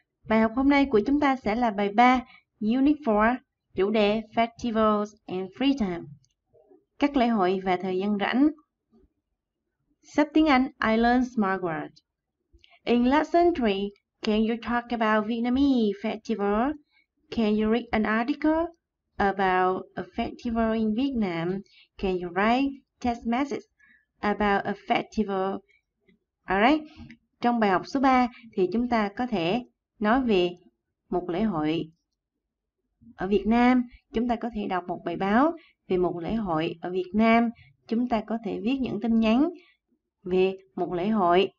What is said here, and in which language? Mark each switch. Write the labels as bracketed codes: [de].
[vi] Bài học hôm nay của chúng ta sẽ là bài 3, Unit 4, chủ đề [en] Festivals and Free Time, [vi] các lễ hội và thời gian rảnh. Sắp tiếng Anh, [en] I learned smart words. In lesson 3, can you talk about Vietnamese festival? Can you read an article about a festival in Vietnam? Can you write text message about a festival? [vi] Alright, trong bài học số 3 thì chúng ta có thể nói về một lễ hội ở Việt Nam. Chúng ta có thể đọc một bài báo về một lễ hội ở Việt Nam. Chúng ta có thể viết những tin nhắn về một lễ hội.